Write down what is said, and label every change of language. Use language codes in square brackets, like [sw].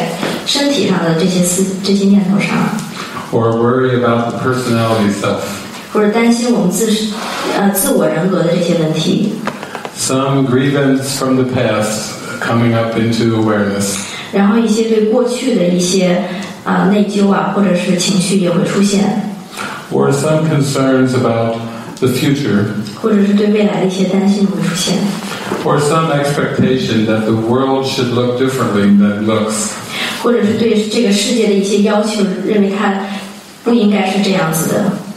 [zh] 但是每当小我开始主宰我们的思想的时候，我们就会把重心放在身体上的这些念头上。 [en] Or worry about the personality self. [zh] 或者担心我们自我人格的这些问题。 [en] Some grievance from the past coming up into awareness. [zh] 然后一些对过去的一些内疚啊，或者是情绪也会出现。 [en] Or some concerns about the future. [zh] 或者是对未来的一些担心会出现。 [en] Or some expectation that the world should look differently than it looks. [zh] 或者是对这个世界的一些要求，认为它 不应该是这样子的。